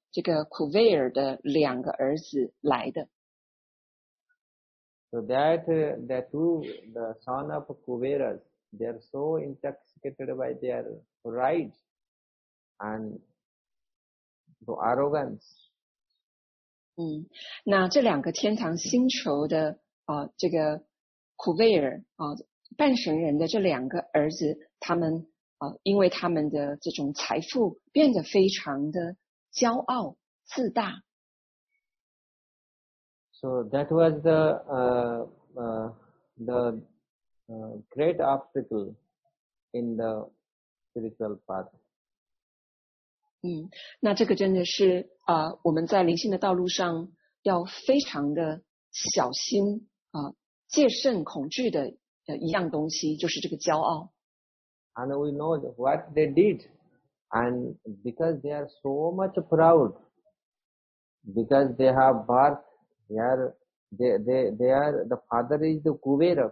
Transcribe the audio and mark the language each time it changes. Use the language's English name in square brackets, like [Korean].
[Chinese] 这个库维尔的两个儿子来的。 [English] So that two, the son of Kuberas, they are so intoxicated by their pride and the arrogance. [Chinese] 那这两个天堂星球的这个库维尔半神人的这两个儿子，他们因为他们的这种财富变得非常的骄傲自大。 [English] So that was the great obstacle in the spiritual path. [Chinese] 那这个真的是我们在灵性的道路上要非常的小心戒慎恐惧的一样东西，就是这个骄傲。 [English] And we know what they did. And because they are so much proud, because they have birth, they are, the father is the Kubera.